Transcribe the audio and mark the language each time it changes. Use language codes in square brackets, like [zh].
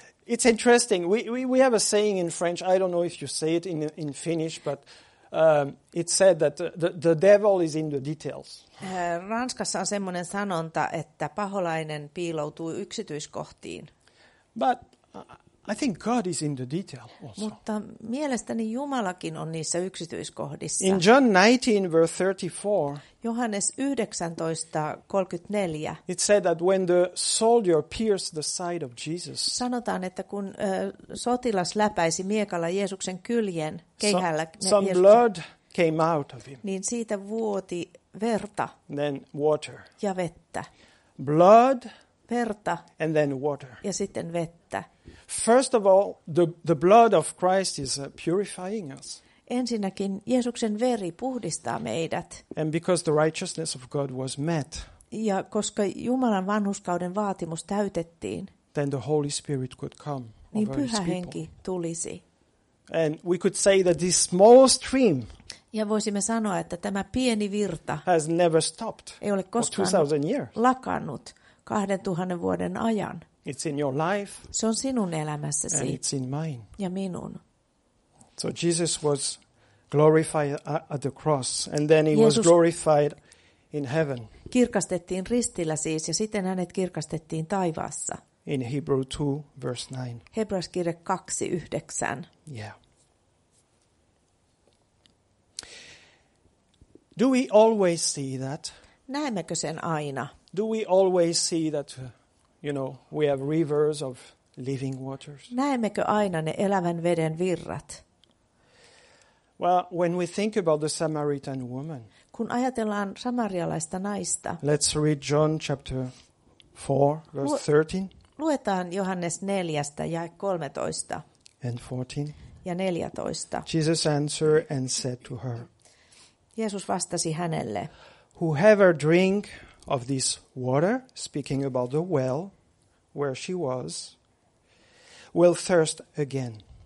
[en] It's interesting. We have a saying in French. I don't know if you say it in Finnish, but It said that the devil is in the details. [fi] Ranskassa on semmoinen sanonta, että paholainen piiloutuu yksityiskohtiin. [en] But I think God is in the detail also. [fi] Mutta mielestäni Jumalakin on niissä yksityiskohdissa. [en] In John 19, verse 34, [fi] Johannes 19:34. [en] It said that when the soldier pierced the side of Jesus. [fi] Sanotaan, että kun sotilas läpäisi miekalla Jeesuksen kyljen, keihällä [en] some blood came out of him. [fi] Niin siitä vuoti verta. [en] Then water. [fi] Ja vettä. [en] Blood. [fi] Verta. [en] And then water. [fi] Ja sitten vettä. [en] First of all, the blood of Christ is purifying us. [fi] Ensinnäkin Jeesuksen veri puhdistaa meidät. [en] And because the righteousness of God was met. [fi] Ja koska Jumalan vanhurskauden vaatimus täytettiin. [en] Then the Holy Spirit could come. [fi] Niin Pyhä Henki tulisi. [en] And we could say that this small stream. [fi] Ja voisimme sanoa, että tämä pieni virta [en] has never stopped. [fi] Ei ole koskaan lakannut 2000 vuoden ajan. [en] It's in your life. [fi] Se on sinun elämässäsi. [en] And it's in mine. [fi] Ja minun. [en] So Jesus was glorified at the cross and then he was glorified in heaven. [fi] Kirkastettiin ristillä siis ja sitten hänet kirkastettiin taivaassa. [en] In Hebrews 2 verse 9. [fi] Hebreaskirje 2:9. [en] Yeah. Do we always see that? [fi] Näemmekö sen aina? [en] Do we always see that, you know, we have rivers of living waters? [fi] Näemmekö aina ne elävän veden virrat? [en] Well, when we think about the Samaritan woman. [fi] Kun ajatellaan samarialaista naista. [en] Let's read John chapter 4, verse 13. [fi] Luetaan Johannes 4:sta ja 13. [en] And 14. [fi] Ja 14. [en] Jesus answered and said to her. [fi] Jeesus vastasi hänelle. [en] Whoever drink of this water, speaking about the well where she was, will thirst again.